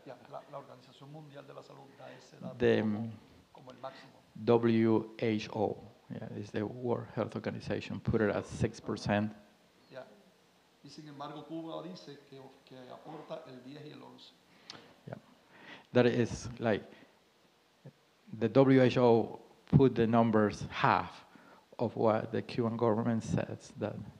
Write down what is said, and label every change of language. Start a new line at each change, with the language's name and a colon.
Spanish: Yeah, la Organización Mundial de la Salud da ese dato como el máximo.
English: WHO, yeah, is the World Health Organization, put it at 6%.
Spanish: Yeah. Y sin embargo, Cuba dice que aporta el 10 y el 11.
English: Yeah. That is like the WHO put the numbers half of what the Cuban government says that.